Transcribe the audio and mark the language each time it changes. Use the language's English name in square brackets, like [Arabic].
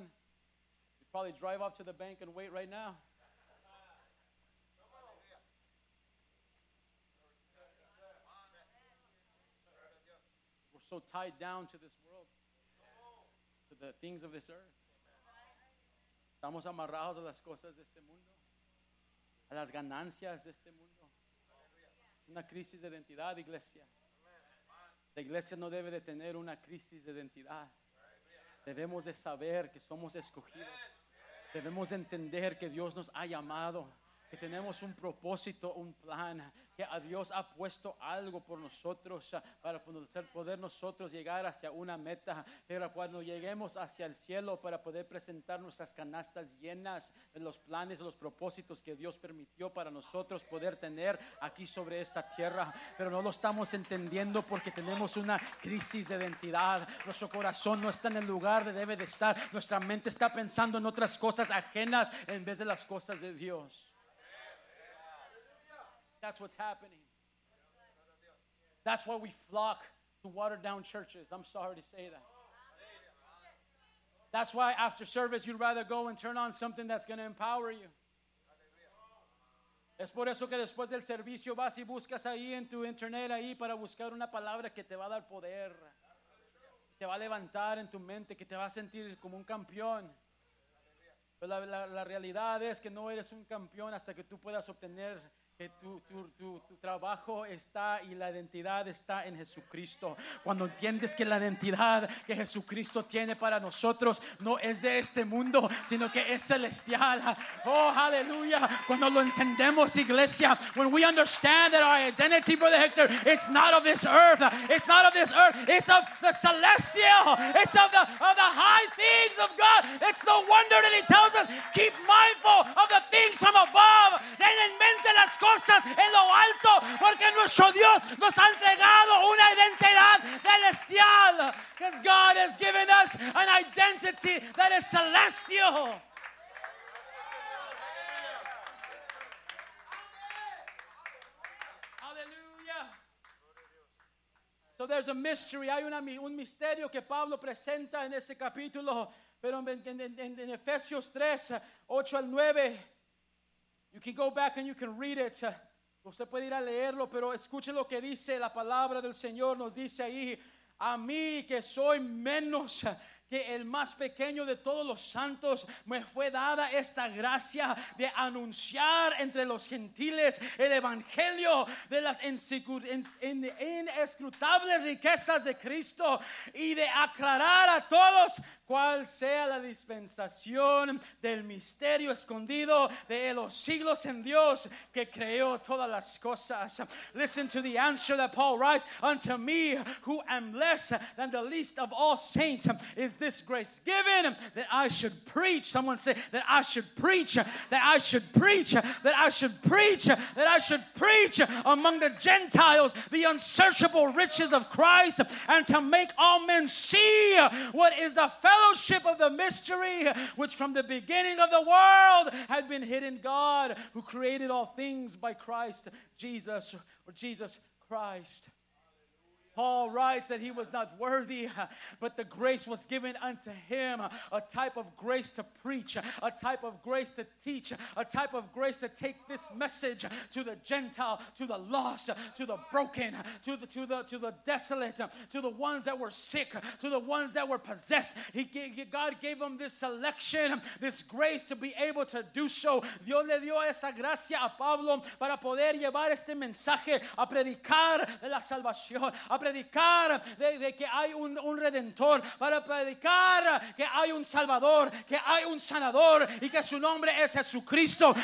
[English] You'd probably drive off to the bank and wait right now. We're so tied down to this world, to the things of this earth. [Spanish] Estamos amarrados a las cosas de este mundo, a las ganancias de este mundo. Una crisis de identidad, iglesia. La iglesia no debe de tener una crisis de identidad. Debemos de saber que somos escogidos. Debemos de entender que Dios nos ha llamado, que tenemos un propósito, un plan, que a Dios ha puesto algo por nosotros para poder nosotros llegar hacia una meta, para cuando lleguemos hacia el cielo para poder presentar nuestras canastas llenas de los planes, los propósitos que Dios permitió para nosotros poder tener aquí sobre esta tierra. Pero no lo estamos entendiendo porque tenemos una crisis de identidad. Nuestro corazón no está en el lugar donde debe de estar. Nuestra mente está pensando en otras cosas ajenas en vez de las cosas de Dios. [English] That's what's happening. That's why we flock to watered down churches. I'm sorry to say that. That's why after service you'd rather go and turn on something that's going to empower you. [Spanish] Es por eso que después del servicio vas y buscas ahí en tu internet ahí para buscar una palabra que te va a dar poder. Te va a levantar en tu mente, que te va a sentir como un campeón. Pero la realidad es que no eres un campeón hasta que tú puedas obtener que tu trabajo está y la identidad está en Jesucristo. Cuando entiendes que la identidad que Jesucristo tiene para nosotros no es de este mundo, sino que es celestial. Oh, aleluya. Cuando lo entendemos, iglesia, [English] when we understand that our identity, Brother Hector, it's not of this earth. It's not of this earth. It's of the celestial. It's of the high things of God. It's no wonder that he tells us, keep mindful of the things from above. [Spanish] Ten en mente las cosas en lo alto, porque nuestro Dios nos ha entregado una identidad celestial. [English] Because God has given us an identity that is celestial. Hallelujah. So there's a mystery. [Spanish] Hay un misterio que Pablo presenta en este capítulo, pero en Efesios 3, 8 al 9. [English] You can go back and you can read it. [Spanish] Usted puede ir a leerlo, pero escuche lo que dice la palabra del Señor. Nos dice ahí, a mí que soy menos que el más pequeño de todos los santos, me fue dada esta gracia de anunciar entre los gentiles el evangelio de las inescrutables riquezas de Cristo y de aclarar a todos cuál sea la dispensación del misterio escondido de los siglos en Dios que creó todas las cosas. [English] Listen to the answer that Paul writes. Unto me, who am less than the least of all saints, is this grace given, that I should preach. Someone say, that I should preach, that I should preach, that I should preach, that I should preach among the Gentiles the unsearchable riches of Christ, and to make all men see what is the fellowship of the mystery, which from the beginning of the world had been hidden God, who created all things by Christ Jesus, or Jesus Christ. Paul writes that he was not worthy, but the grace was given unto him, a type of grace to preach, a type of grace to teach, a type of grace to take this message to the Gentile, to the lost, to the broken, to the desolate, to the ones that were sick, to the ones that were possessed. God gave him this selection, this grace to be able to do so. [Spanish] Dios le dio esa gracia a Pablo para poder llevar este mensaje, a predicar de la salvación, a predicar predicar de que hay un redentor, para predicar que hay un salvador, que hay un sanador y que su nombre es Jesucristo.